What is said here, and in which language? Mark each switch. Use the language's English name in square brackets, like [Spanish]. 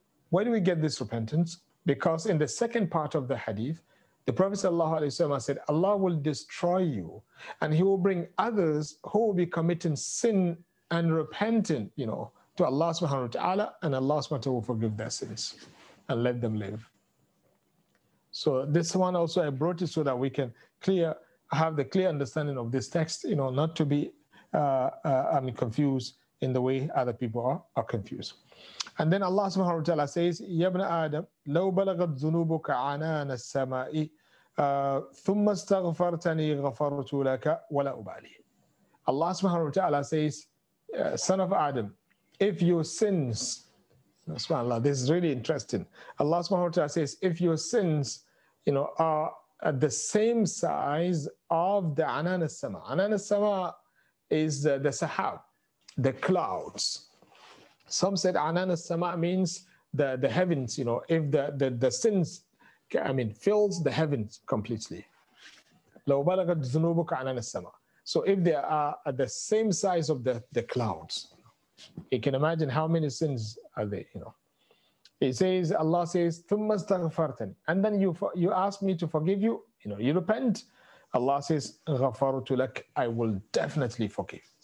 [English] Where do we get this repentance? Because in the second part of the hadith, the Prophet sallallahu alaihi wasallam said, Allah will destroy you and he will bring others who will be committing sin and repenting, you know, to Allah subhanahu wa ta'ala, and Allah subhanahu wa ta'ala will forgive their sins and let them live. So this one also I brought it so that we can have the clear understanding of this text, you know, not to be confused in the way other people are confused. And then Allah subhanahu wa ta'ala says, [Arabic] Ya ibn Adam, لو بلغت ذنوبك عنان السماء ثم استغفرتني غفرت لك ولا أبالي. [English] Allah subhanahu wa ta'ala says, son of Adam, if your sins, subhanAllah, this is really interesting. Allah subhanahu wa ta'ala says, if your sins, you know, are at the same size of the anan as-sama. Anan as-sama is the sahab, the clouds. Some said anan as-sama means the heavens, you know, if the sins, I mean, fills the heavens completely. [Arabic] لو بلغت ذنوبك عنان السماء. [English] So if they are at the same size of the clouds, you can imagine how many sins are there, you know. It says, Allah says, [Arabic] ثُمَّ اسْتَغْفَرْتَنِ. [English] And then you ask me to forgive you, you know, you repent. Allah says, [Arabic] غَفَرُتُ لَكْ. [English] I will definitely forgive.